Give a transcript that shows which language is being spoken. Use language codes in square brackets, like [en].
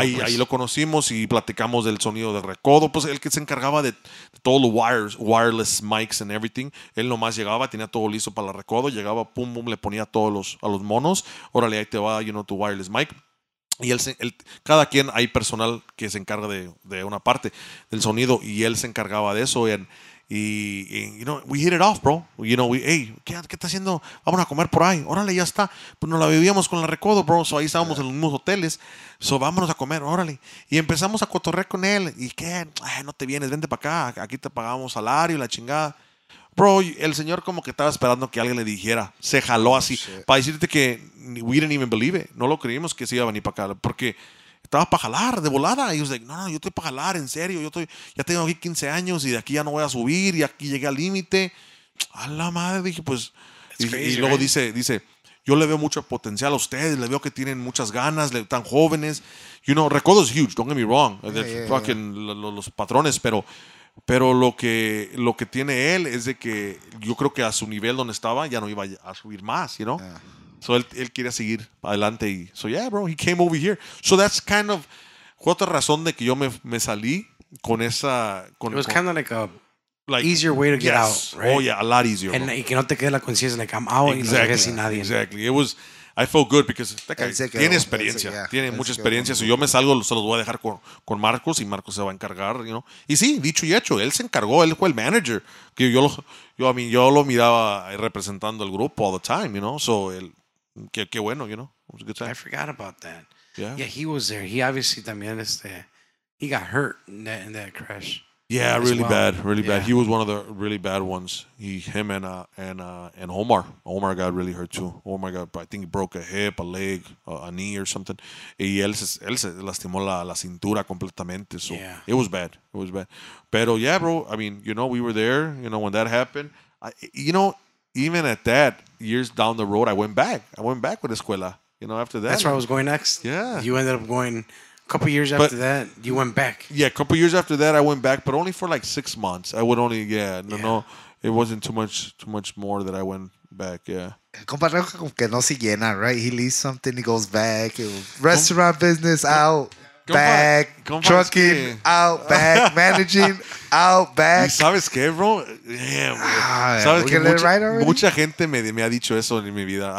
[es] Ahí lo conocimos y platicamos del sonido de Recodo. Pues el que se encargaba de todos los [en] wireless mics and everything. [es] Él nomás llegaba, tenía todo listo para la Recodo. Llegaba, pum, pum, le ponía todos a los monos. Órale, ahí te va, you know, tu wireless mic. Y él, cada quien, hay personal que se encarga de una parte del sonido, y él se encargaba de eso. [en] Y you know, we hit it off, bro. [es] You know, ¿qué está haciendo? Vamos a comer por ahí. Órale, ya está. Pues nos la vivíamos con la Recodo, bro. So ahí estábamos en los mismos hoteles. So vámonos a comer, órale. Y empezamos a cotorrear con él. ¿Y qué? Ay, no te vienes, vente para acá. Aquí te pagamos salario, la chingada. Bro, el señor como que estaba esperando que alguien le dijera. Se jaló así. Para decirte que [en] we didn't even believe it. [es] No lo creímos que se iba a venir para acá. Porque estaba para jalar de volada. Y [en] was like, [es] no, yo estoy para jalar, en serio. Ya tengo aquí 15 años y de aquí ya no voy a subir. Y aquí llegué al límite. A la madre, dije, pues. [en] Crazy, [es] y luego dice, yo le veo mucho potencial a ustedes. Le veo que tienen muchas ganas, tan jóvenes. [en] You know, Recodo is huge, don't get me wrong. [es] Los patrones, pero... Pero lo que tiene él es de que yo creo que a su nivel donde estaba ya no iba a subir más, you know? [en] So [es] él quería seguir adelante y [en] so yeah, bro, he came over here. So that's kind of [es] otra razón de que yo me salí con esa con [en] it was [es] con, [en] kind of like easier way to get out, right? Oh yeah, a lot easier. [es] And y que no te quede la conciencia [en] like I'm out exactly, [es] y no llegué sin nadie. [en] Exactly. It was I felt good because that guy [es] tiene experiencia. Tiene mucha experiencia. Si yo me salgo, se los voy a dejar con Marcos y Marcos se va a encargar, you know. Y sí, dicho y hecho, él se encargó, él fue el manager. Que yo lo miraba representando el grupo [en] all the time, you know. [es] So él qué bueno, you know. [en] It was a good time. I forgot about that. Yeah. Yeah, he was there. He obviously también he got hurt in that crash. Yeah, really bad. Really bad. He was one of the really bad ones. Him and Omar. Omar got really hurt too. Omar got, I think he broke a hip, a leg, a knee or something. [es] Y él se lastimó la cintura completamente. So [en] yeah. It was bad. It was bad. Pero yeah, bro. I mean, you know, we were there, you know, when that happened. Even at that, years down the road, I went back with Escuela. You know, after that. That's where I was going next. Yeah. You ended up going couple years after that, you went back. Yeah, a couple years after that, I went back, but only for like 6 months. I would only, no, it wasn't too much more that I went back, [es] Compa Rojo como que no se llena, right? [en] He leaves something, he goes back. Restaurant business, out, back. Trucking, out, back. Managing, out, back. [es] ¿Y sabes qué, bro? [en] Damn, bro. [es] ¿Sabes qué? Mucha gente me ha dicho eso en mi vida.